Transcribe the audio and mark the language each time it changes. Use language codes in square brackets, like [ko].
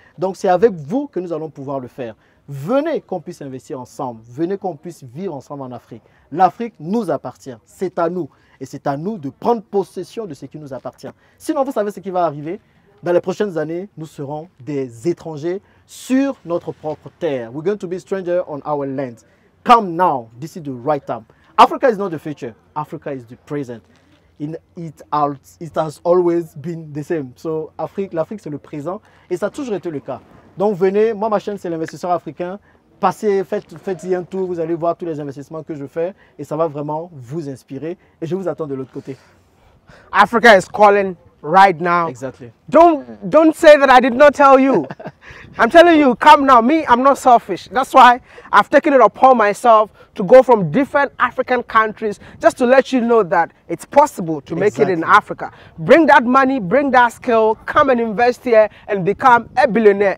[fr] Donc c'est avec vous que nous allons pouvoir le faire. Venez qu'on puisse investir ensemble, venez qu'on puisse vivre ensemble en Afrique. L'Afrique nous appartient, c'est à nous. Et c'est à nous de prendre possession de ce qui nous appartient. Sinon, vous savez ce qui va arriver. Dans les prochaines années, nous serons des étrangers sur notre propre terre. [en] We're going to be strangers on our land. Come now, this is the right time. Africa is not the future, Africa is the present. It has always been the same. [fr] So, l'Afrique c'est le présent et ça a toujours été le cas. Donc venez, moi ma chaîne c'est l'investisseur africain, passez, faites-y un tour, vous allez voir tous les investissements que je fais et ça va vraiment vous inspirer et je vous attends de l'autre côté. [en] Africa is calling right now. Exactly. Don't say that I did not tell you. I'm telling you, come now. Me, I'm not selfish. That's why I've taken it upon myself to go from different African countries just to let you know that it's possible to make it in Africa. Bring that money, bring that skill, come and invest here and become a billionaire.